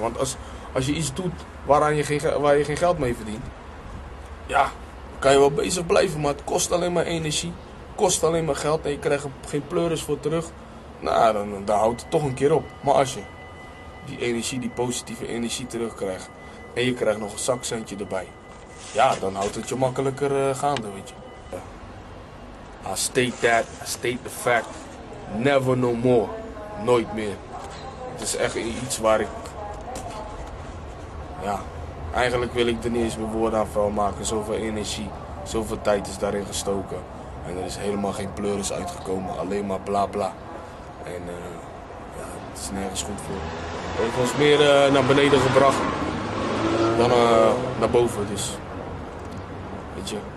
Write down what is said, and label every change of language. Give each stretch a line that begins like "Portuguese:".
Dutch: Want als je iets doet waar je geen geld mee verdient, ja, kan je wel bezig blijven, maar het kost alleen maar energie, kost alleen maar geld en je krijgt er geen pleuris voor terug. Nou, dan houdt het toch een keer op. Maar als je die energie, die positieve energie terugkrijgt en je krijgt nog een zakcentje erbij, ja, dan houdt het je makkelijker gaande, weet je.
English: I state that, I state the fact, never no more,
Dutch: nooit meer. Het is echt iets waar ik, ja, eigenlijk wil ik er niet eens mijn woorden aan vuil maken. Zoveel energie, zoveel tijd is daarin gestoken. En er is helemaal geen pleuris uitgekomen, alleen maar bla bla. En ja, het is nergens goed voor. Het heeft ons meer naar beneden gebracht dan naar boven, dus weet je.